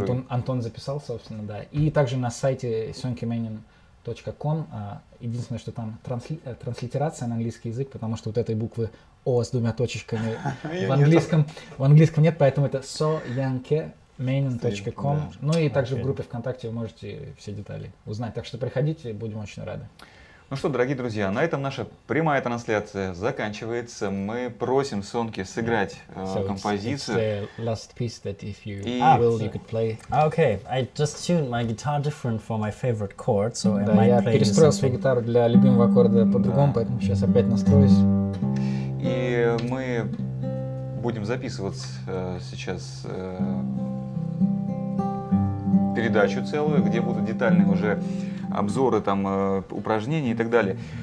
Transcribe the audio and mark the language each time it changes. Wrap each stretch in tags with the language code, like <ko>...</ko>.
<ru>Антон записал, собственно, да, и также на сайте sonkemeinen.com, единственное, что там транслитерация на английский язык, потому что вот этой буквы О с двумя точечками в английском нет, поэтому это soyankemeinen.com. Ну и также в группе ВКонтакте вы можете все детали узнать. Так что приходите, будем очень рады. Ну что, дорогие друзья, на этом наша прямая трансляция заканчивается. Мы просим Сонке сыграть композицию.</ru> <en>It's the last piece that if you will, you could play. Okay, I just tuned my guitar different for my favorite chord, so I might play something.</en> <ru>Да, я перестроил свою гитару для любимого аккорда по-другому, поэтому сейчас опять настроюсь. И мы будем записывать сейчас передачу целую, где будут детальные уже обзоры, там, упражнения и так далее.</ru>